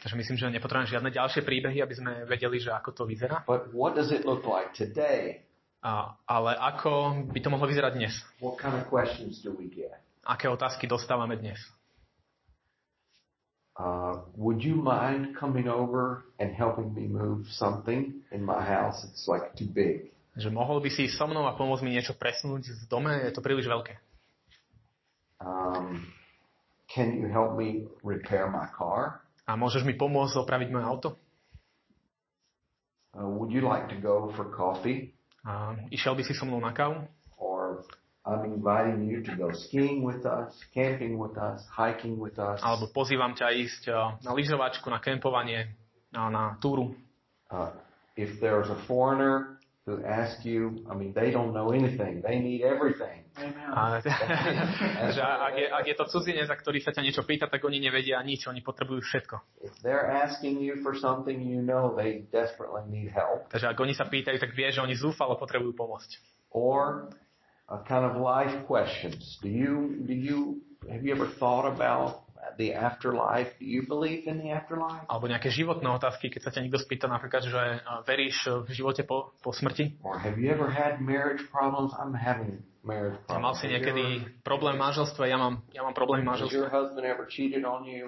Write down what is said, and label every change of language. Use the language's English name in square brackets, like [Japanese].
[Slovak] Takže myslím, že nepotrebujeme žiadne ďalšie príbehy, aby sme vedeli, že ako to vyzerá. [English] But what does it look like today? [Slovak] Ale ako by to mohlo vyzerať dnes? [English] What kind of questions do we get? [Slovak] Aké otázky dostávame dnes? [English] Would you mind coming over and helping me move something in my house? It's like too big. [Slovak] Že mohol by si so mnou a pomôcť mi niečo presunúť z dome? Je to príliš veľké. [English] Can you help me repair my car? [Slovak] A môžeš mi pomôcť opraviť moje auto? [English] Would you like to go for coffee? [Slovak] Išiel by si so mnou na kávu? [English] Or I'm inviting you to go skiing with us, camping with us, hiking with us. [Slovak] Alebo pozývam ťa ísť na lyžovačku, na kempovanie, na túru. [English] If there's a foreigner who asks you, I mean, they don't know anything. They need everything. [Slovak] Ak je to cudzinec, ktorý sa ťa niečo pýta, tak oni nevedia nič. Oni potrebujú všetko. [English] If they're asking you for something, you know they desperately need help. [Slovak] Takže ak oni sa pýtajú, tak vieš, že oni zúfalo potrebujú pomôcť. [English] Or a kind of life questions. Have you ever thought about the afterlife? Do you believe in the afterlife? [Slovak] Alebo nejaké životné otázky, keď sa ťa niekto spýta napríklad, že veríš v živote po smrti? [English] Or have you ever had marriage problems? I'm having marriage problems. [Slovak] Mal si niekedy problém v manželstve? Ja mám problémy v manželstve. [English] Has your husband ever cheated on you?